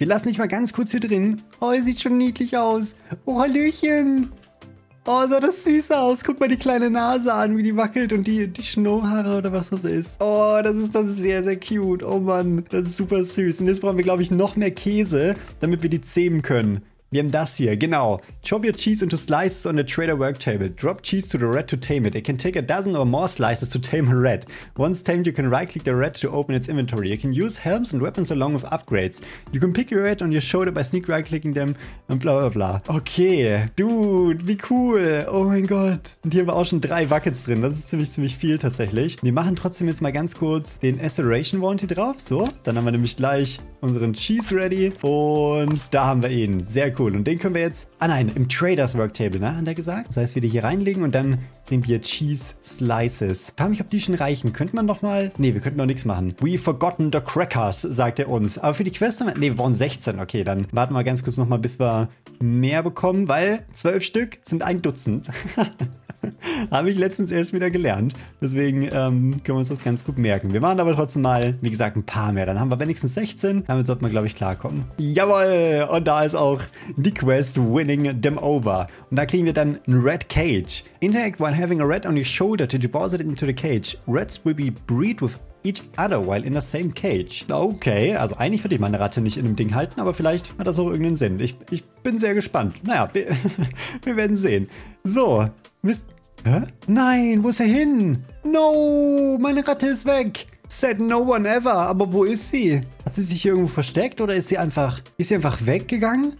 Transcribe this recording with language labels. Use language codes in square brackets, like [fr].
[de] Wir lassen dich mal ganz kurz hier drin. Oh, sieht schon niedlich aus. Oh, Hallöchen. Oh, sah das süß aus. Guck mal die kleine Nase an, wie die wackelt und die Schnurrhaare oder was das ist. Oh, das ist sehr, sehr cute. Oh Mann, das ist super süß. Und jetzt brauchen wir, glaube ich, noch mehr Käse, damit wir die zähmen können. Wir haben das hier, genau. [en] Chop your cheese into slices on the trader work table. Drop cheese to the rat to tame it. It can take a dozen or more slices to tame a rat. Once tamed, you can right-click the rat to open its inventory. You can use helms and weapons along with upgrades. You can pick your rat on your shoulder by sneak right-clicking them and bla bla bla. [de] Okay, dude, wie cool. Oh mein Gott. Und hier haben wir auch schon 3 Buckets drin. Das ist ziemlich, ziemlich viel tatsächlich. Wir machen trotzdem jetzt mal ganz kurz den Acceleration Warranty drauf. So, dann haben wir nämlich gleich unseren Cheese ready. Und da haben wir ihn. Sehr cool. Und den können wir jetzt, im Traders Worktable, ne, hat er gesagt. Das heißt, wir die hier reinlegen und dann nehmen wir Cheese Slices. Frag mich, ob die schon reichen. Könnte man nochmal, nee, wir könnten noch nichts machen. [en] We forgotten the crackers, [de] sagt er uns. Aber für die Quest haben wir, nee, wir brauchen 16. Okay, dann warten wir ganz kurz nochmal, bis wir mehr bekommen, weil 12 Stück sind ein Dutzend. Habe ich letztens erst wieder gelernt. Deswegen können wir uns das ganz gut merken. Wir machen aber trotzdem mal, wie gesagt, ein paar mehr. Dann haben wir wenigstens 16. Damit sollten wir, glaube ich, klarkommen. Jawohl! Und da ist auch die Quest Winning Them Over. Und da kriegen wir dann ein Red Cage. [en] Interact while having a rat on your shoulder to deposit it into the cage. Rats will be breed with each other while in the same cage. [de] Okay, also eigentlich würde ich meine Ratte nicht in einem Ding halten, aber vielleicht hat das auch irgendeinen Sinn. Ich bin sehr gespannt. Naja, wir werden sehen. So, Mist. Hä? Nein, wo ist er hin? No, meine Ratte ist weg. [en] Said no one ever, [de] aber wo ist sie? Hat sie sich hier irgendwo versteckt oder ist sie einfach weggegangen?